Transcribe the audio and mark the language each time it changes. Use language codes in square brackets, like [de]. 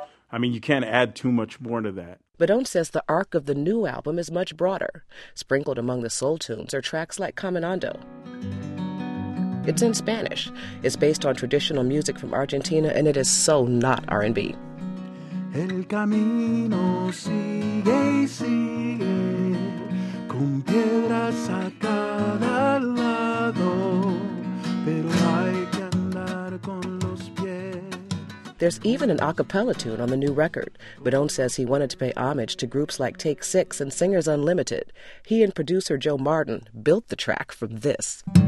[en] I mean, you can't add too much more to that. Meadone says the arc of the new album is much broader. Sprinkled among the soul tunes are tracks like Caminando. It's in Spanish. It's based on traditional music from Argentina, and it is so not R&B. [es] El camino sigue y sigue, con piedras a cada lado, pero hay que andar con los pies. [en] There's even an a cappella tune on the new record. Meadone says he wanted to pay homage to groups like Take Six and Singers Unlimited. He and producer Joe Martin built the track from this.